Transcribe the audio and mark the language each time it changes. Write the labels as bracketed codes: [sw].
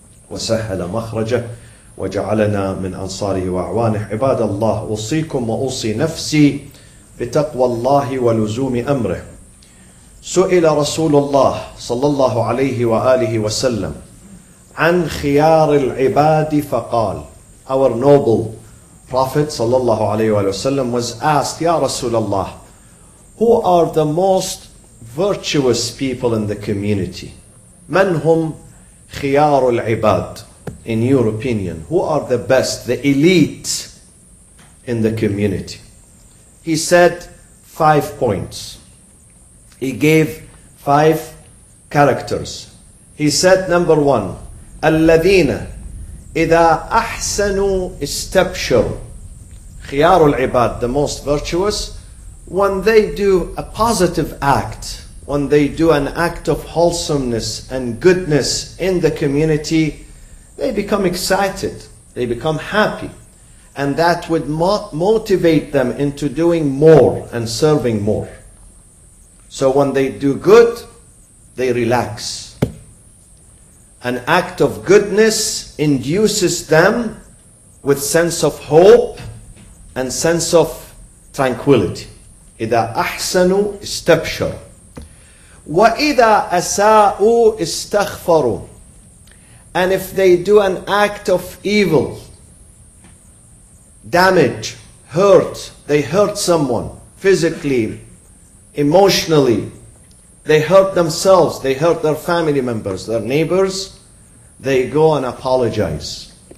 [ar] وسهل مخرجه وجعلنا من أنصاره وأعوانه عباد الله أوصيكم وأوصي نفسي بتقوى الله ولزوم أمره سئل رسول الله صلى الله عليه وآله وسلم عن خيار العباد فقال [en] Our noble prophet [ar] صلى الله عليه وآله وسلم was asked يا رسول الله [en] Who are the most virtuous people in the community? [ar] من هم خيار العباد? [en] In your opinion, who are the best, the elite in the community? He said 5 points. He gave 5 characters. He said, number one, [ar] الَّذِينَ إِذَا أَحْسَنُوا اسْتَبْشَرُوا خِيَارُ الْعِبَادِ, [en] the most virtuous, when they do a positive act, when they do an act of wholesomeness and goodness in the community, they become excited, they become happy, and that would motivate them into doing more and serving more. So when they do good, they relax. An act of goodness induces them with sense of hope and sense of tranquility. [ar] إذا أحسنوا استبشروا وإذا أساءوا استغفروا. [en] And if they do an act of evil, damage, hurt, they hurt someone physically, emotionally, they hurt themselves, they hurt their family members, their neighbors, they go and apologize.